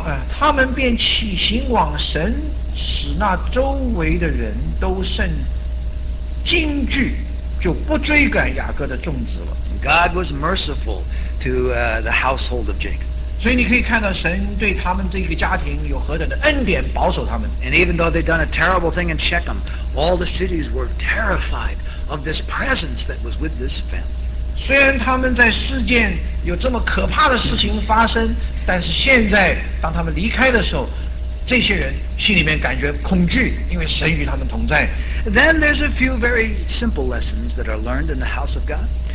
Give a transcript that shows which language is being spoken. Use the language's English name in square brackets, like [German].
[Chinese] 他们便起行往神，使那周围的人都甚惊惧，就不追赶雅各的众子了。 [English] God was merciful to the household of Jacob. [Chinese] 所以你可以看到神对他们这个家庭有何等的恩典保守他们。 [English] And even though they'd done a terrible thing in Shechem, all the cities were terrified of this presence that was with this family. [Chinese] 虽然他们在世间有这么可怕的事情发生，但是现在当他们离开的时候，这些人心里面感觉恐惧，因为神与他们同在。 [English] Then there's a few very simple lessons that are learned in the house of God.